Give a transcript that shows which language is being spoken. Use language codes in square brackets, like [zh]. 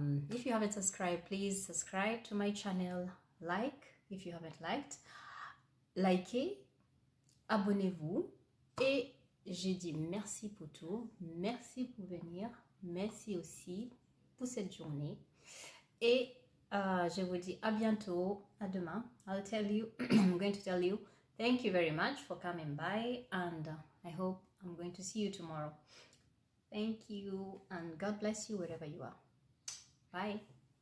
[en] If you haven't subscribed, please subscribe to my channel. Like if you haven't liked. [fr] Likez, abonnez-vous et j'ai dit merci pour tout. Merci pour venir. Merci aussi pour cette journée. Et je vous dis à bientôt, à demain. [en] I'm going to tell you thank you very much for coming by and I hope I'm going to see you tomorrow. Thank you and God bless you wherever you are. Bye.